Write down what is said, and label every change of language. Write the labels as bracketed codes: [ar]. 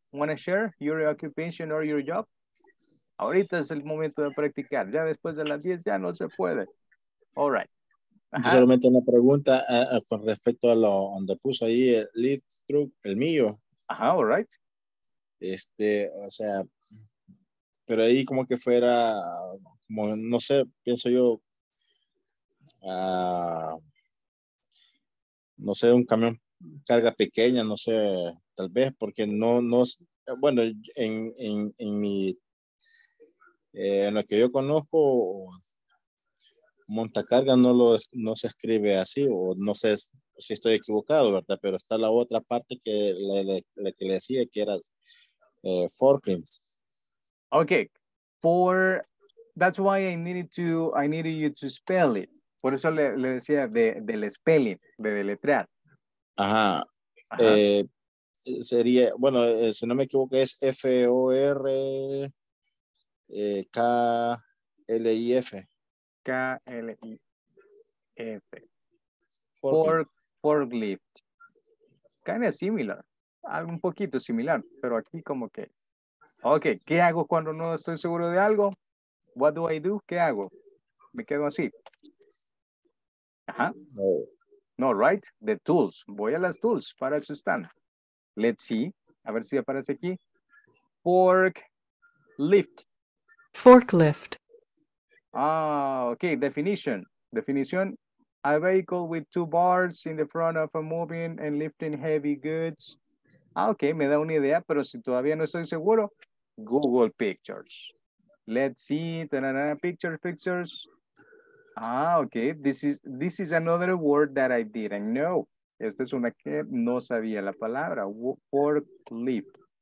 [en] Want to share your occupation or your job? [es] Ahorita es el momento de practicar. Ya después de las 10 ya no se puede. [en] All right. [es] Solamente una pregunta con respecto a lo donde puso ahí el lead truck, el mío. [en] All right. [es] Pero ahí como que fuera, como no sé, pienso yo, no sé, un camión carga pequeña, no sé, tal vez, porque no bueno, en mi, en lo que yo conozco, montacarga no se escribe así, o no sé si estoy equivocado, ¿verdad? Pero está la otra parte que le que le decía que era forklift. [en] Okay, for that's why I needed you to spell it. [es] Por eso le decía del spelling, de deletrear. Ajá. Sería, bueno, si no me equivoco, es F-O-R-K-L-I-F. [en] K-L-I-F. Forklift. Kind of similar. [es] Algo un poquito similar, pero aquí como que. Okay, ¿qué hago cuando no estoy seguro de algo? [en] What do I do? [es] ¿Qué hago? Me quedo así. No, [en] right? The tools. [es] Voy a las tools para su stand. [en] Let's see. [es] A ver si aparece aquí. [en] Forklift. Forklift. Okay, definition. Definición. A vehicle with two bars in the front of a moving and lifting heavy goods. [es] Okay, me da una idea, pero si todavía no estoy seguro, Google Pictures. [en] Let's see, pictures. Okay, this is another word that I didn't know. [es] Esta es una que no sabía la palabra, forklift.